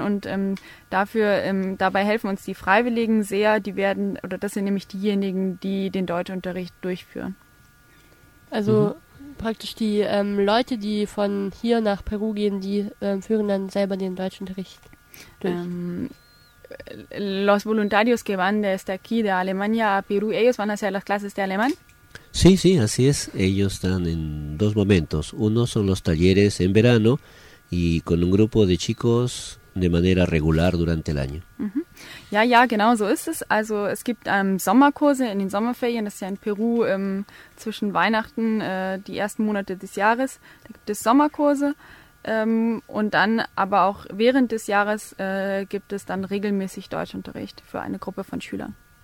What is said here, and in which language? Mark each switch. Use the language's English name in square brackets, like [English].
[German] Und dabei helfen uns die Freiwilligen sehr. Das sind nämlich diejenigen, die den Deutschunterricht durchführen. Also praktisch die Leute, die von hier nach Peru gehen, die führen dann selber den Deutschunterricht durch? [Spanish] Los voluntarios que van desde aquí de Alemania a Perú, ¿ellos van a hacer las clases de alemán? Sí, sí, así es. Ellos están en dos momentos. Uno son los talleres en verano y con un grupo de chicos de manera regular durante el año. [German] Uh-huh. Ja, ja, genau so ist es. Also es gibt Sommerkurse in den Sommerferien, das ist ja in Peru zwischen Weihnachten, die ersten Monate des Jahres, da gibt es Sommerkurse und dann aber auch während des Jahres gibt es dann regelmäßig Deutschunterricht für eine Gruppe von Schülern.